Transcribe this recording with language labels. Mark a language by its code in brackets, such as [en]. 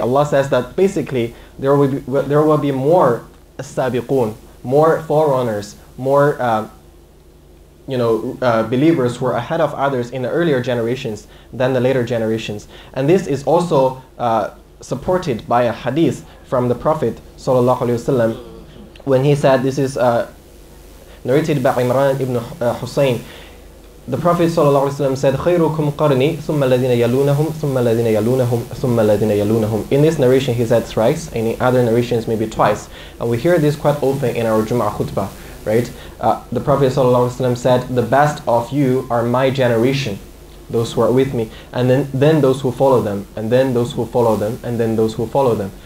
[en] Allah says that basically there will be more as-sabiqun, more forerunners, more believers who are ahead of others in the earlier generations than the later generations. And this is also supported by a hadith from the Prophet sallallahu alaihi wasallam, when he said, this is narrated by Imran ibn Husayn. The Prophet ﷺ said, [ar] خَيْرُكُمْ قَرْنِي ثُمَّ الَّذِينَ يَلُونَهُمْ ثُمَّ الَّذِينَ يَلُونَهُمْ ثُمَّ الَّذِينَ يَلُونَهُمْ. [en] In this narration he said thrice, and in other narrations maybe twice. And we hear this quite often in our Jum'ah khutbah, right? The Prophet ﷺ said, the best of you are my generation, those who are with me, and then those who follow them, and then those who follow them, and then those who follow them.